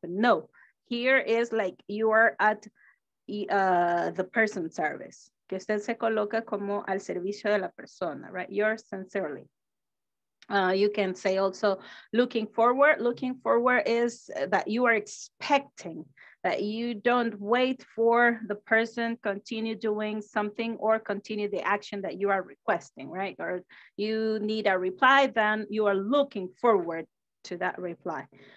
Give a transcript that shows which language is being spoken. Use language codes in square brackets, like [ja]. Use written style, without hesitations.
[en] But no, here is like you are at the person service. [es] Que usted se coloca como al servicio de la persona, right? [en] Yours sincerely. You can say also looking forward. Looking forward is that you are expecting, that you don't wait for the person continue doing something or continue the action that you are requesting, right? Or you need a reply, then you are looking forward to that reply.